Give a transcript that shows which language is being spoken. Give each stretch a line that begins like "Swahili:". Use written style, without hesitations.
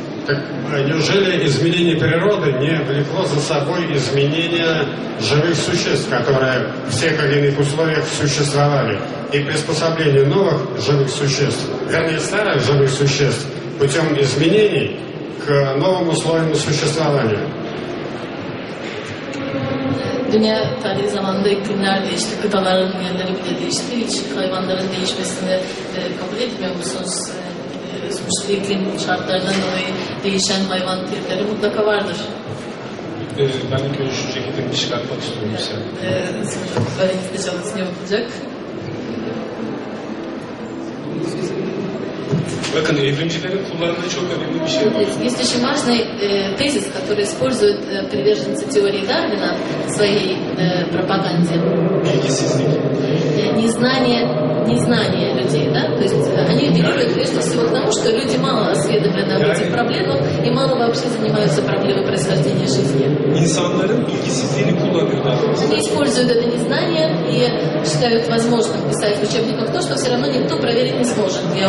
Russian: Так неужели изменение природы не влекло за собой изменение живых существ, которые в тех или иных условиях существовали, и приспособление новых живых существ, вернее старых живых существ, путем изменений к новым условиям существования.
Turkish: Dünya tarihi zamanında iklimler değişti, kıtaların yerleri bile değişti. Hiç hayvanların değişmesini kabul etmiyor musunuz? Sonuçta iklim şartlarından dolayı değişen hayvan türleri mutlaka vardır. Ben ilk önce şu şekilde bir çıkartmak istiyorum size. Öğrencisi de çalışsın yapılacak. Bakın, evrimcilerin kullandığı çok önemli bir şey var.
Russian: Есть очень важный тезис, который используют приверженцы теории Дарвина в своей пропаганде.
Turkish: Бильгисизлик.
Russian: Незнание людей, да? То есть они апеллируют прежде всего к тому, что люди мало осведомлены об этих проблемах и мало вообще занимаются проблемой происхождения жизни.
Turkish: İnsanların bilgisizliğini kullanıyor Дарвин.
Russian: Они используют это незнание и считают возможным писать в учебниках то, что все равно никто проверить не сможет.